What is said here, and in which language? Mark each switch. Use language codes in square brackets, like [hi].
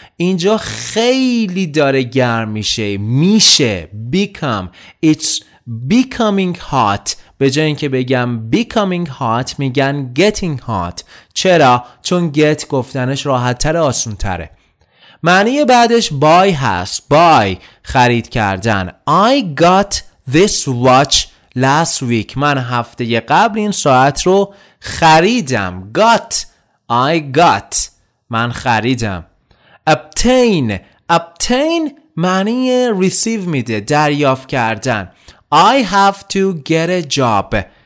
[fa] اینجا خیلی داره گرم میشه. میشه become. [en] It's becoming hot. [fa] به جای اینکه بگم [en] becoming hot [fa] میگن [en] getting hot. [fa] چرا؟ چون get گفتنش راحت تره، آسون تره. معنی بعدش buy هست. buy، خرید کردن. [en] I got this watch last week. [fa] من هفته قبل این ساعت رو خریدم. [en] got. I got. [fa] من خریدم. [en] obtain. [fa] obtain معنی receive میده، دریافت کردن. [en] I have to get a job.